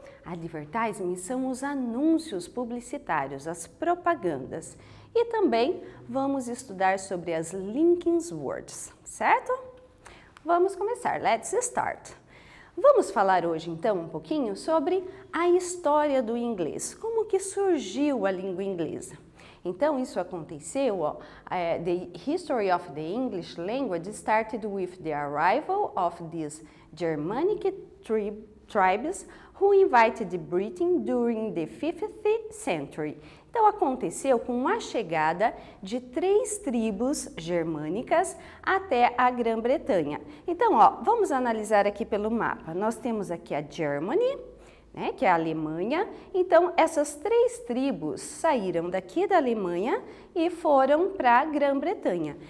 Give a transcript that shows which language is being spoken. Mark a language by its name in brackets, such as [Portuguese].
[Portuguese] Advertisement são os anúncios publicitários, as propagandas. E também vamos estudar sobre as linking words, certo? Vamos começar. [English] Let's start. [Portuguese] Vamos falar hoje então um pouquinho sobre a história do inglês. Como que surgiu a língua inglesa? Então, isso aconteceu, ó, [English] the history of the English language started with the arrival of these Germanic tribes who invited the Britain during the 5th century. [Portuguese] Então, aconteceu com a chegada de três tribos germânicas até a Grã-Bretanha. Então, ó, vamos analisar aqui pelo mapa. Nós temos aqui a Germany, né, que é a Alemanha. Então, essas três tribos saíram daqui da Alemanha e foram para a Grã-Bretanha.